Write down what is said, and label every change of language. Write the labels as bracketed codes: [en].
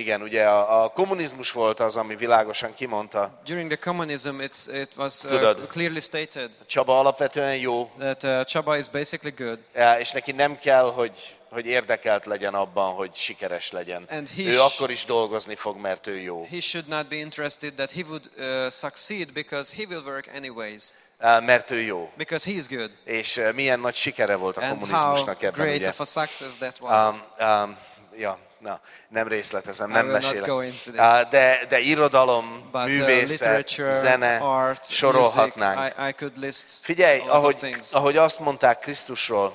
[hu] Igen, ugye a kommunizmus volt az, ami világosan kimondta. [en] During the communism it was [hu] tudod, [en] clearly stated. [hu] Csaba alapvetően jó. [en] That Csaba is basically good. [hu] És neki nem kell, hogy érdekelt legyen abban, hogy sikeres legyen. Ő akkor is dolgozni fog, mert ő jó. [en] He should not be interested that he would succeed because he will work anyways. [hu] Mert ő jó. [en] Because he is good. [hu] És milyen nagy sikere volt a kommunizmusnak ebben, ugye? [en] And how great of a success that was. [hu] Nem részletezem, nem mesélek. De irodalom, [en] but [hu] művészet, zene, [en] art, [hu] sorolhatnánk. [en] I could list. [hu] Figyelj, ahogy azt mondták Krisztusról,